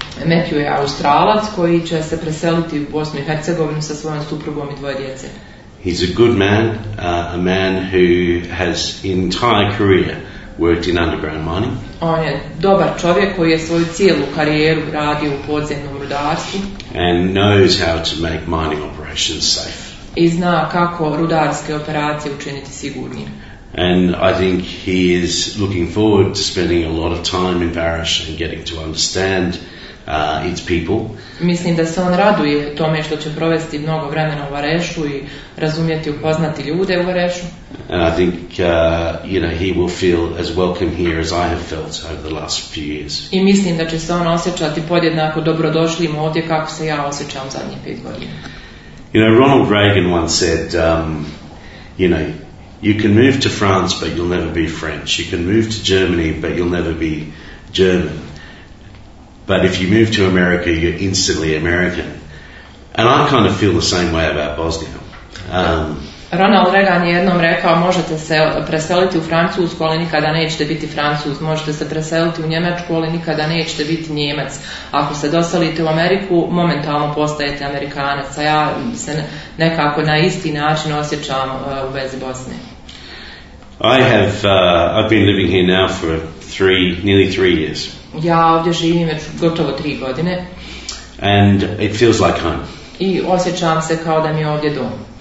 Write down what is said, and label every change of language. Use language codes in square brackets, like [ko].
[bs] Matthew je Australac koji će se preseliti u Bosnu i Hercegovinu sa svojom suprugom i 2 djece. [en] He's a good man, a man who has entire career worked in underground mining. [bs] On je dobar čovjek koji je svoju cijelu karijeru radio u podzemnom rudarstvu. [en] And knows how to make mining operations safe. [bs] I zna kako rudarske operacije učiniti sigurnije. [en] And I think he is looking forward to spending a lot of time in Barish and getting to understand its people. [bs] Mislim da se on raduje tome što će provesti mnogo vremena u Varešu i razumjeti i upoznati ljude u Varešu. [en] And I think you know, he will feel as welcome here as I have felt over the last few years. [bs] I mislim da će se on osjećati podjednako dobrodošlim ovdje kako se ja osjećam zadnjih 5 godina. [en] You know, Ronald Reagan once said, you know, you can move to France but you'll never be French. You can move to Germany but you'll never be German. But if you move to America, you're instantly American. And I kind of feel the same way about Bosnia. [bs] Ronald Reagan je jednom rekao, možete se preseliti u Francusku, ali nikada nećete biti Francus. Možete se preseliti u Njemačku, ali nikada nećete biti Njemac. Ako se doselite u Ameriku, momentalno postajete Amerikanac. A ja se nekako na isti način osjećam u vezi Bosne. [en] I've been living here now for nearly three years. [bs] Ja ovdje živim već gotovo 3 godine. [en] And it feels like home. [bs] I osjećam se kao da mi je ovdje dom.